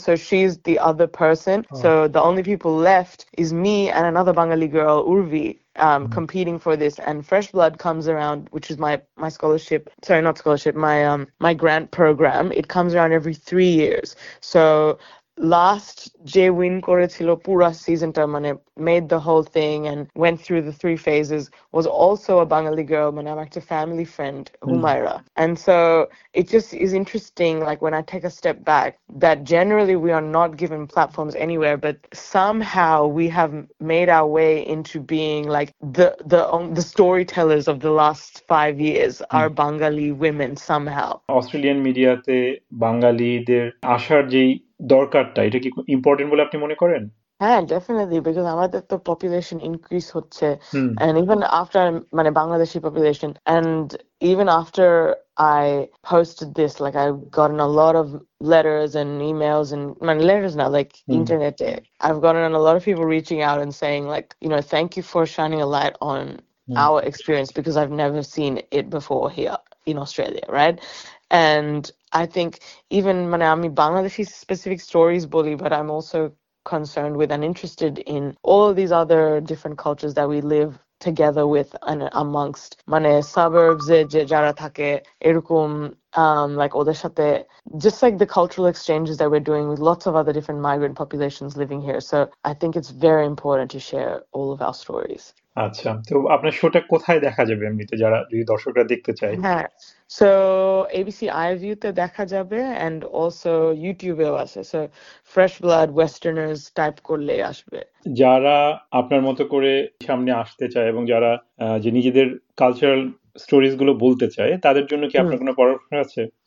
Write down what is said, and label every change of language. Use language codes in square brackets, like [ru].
[en] So she's the other person. So the only people left is me and another Bangali girl, Urvi, competing for this, and Fresh Blood comes around, which is my scholarship, sorry, not scholarship, my grant program. It comes around every 3 years, so last যে win করেছিল পুরা সিজনটা, মানে made the whole thing and went through the three phases, was also a Bengali girl, মানে [bn] আমার একটা family friend Humaira. [en] And so it just is interesting, like when I take a step back, that generally we are not given platforms anyway, but somehow we have made a way into being like the storytellers of the last 5 years are Bengali women somehow. [bn] Australian মিডিয়াতে বাঙালিদের আসার যেই দরকারটা, এটা কি important বলে আপনি মনে করেন? হ্যাঁ, [en] definitely, because [bn] আমাদের তো পপুলেশন ইনক্রিজ হচ্ছে, হুম [en] and even after, মানে Bangladeshi population, and even after I posted this, like I got on a lot of letters and emails, and [bn] মানে লেটার্স না, [en] Like hmm ইন্টারনেটে I have got on a lot of people reaching out and saying like, you know, thank you for shining a light on hmm our experience, because I have never seen it before here in Australia, right? And I think even, [bn] মানে আমি Bangladeshi specific stories বলি, [en] but I am also concerned with and interested in all these other different cultures that we live together with and amongst, [bn] মানে suburbs এ যে যারা থাকে এরকম, [en] like ওদের সাথে, just like the cultural exchanges that we're doing with lots of other different migrant populations living here. So I think it's very important to share all of our stories. [bn] আচ্ছা, তো আপনার শোটা কোথায় দেখা যাবে এমনিতে, যারা যদি দর্শকরা দেখতে চায়? হ্যাঁ, সো এবিসি আইভিউ তে দেখা যাবে, অ্যান্ড অলসো ইউটিউবেও আছে, so fresh blood westerners type করলে আসবে। যারা আপনার মতো করে সামনে আসতে চায় এবং যারা যে নিজেদের কালচারাল স্টোরিজ গুলো বলতে চায়, তাদের জন্য কি আপনার কোনো পরামর্শ আছে?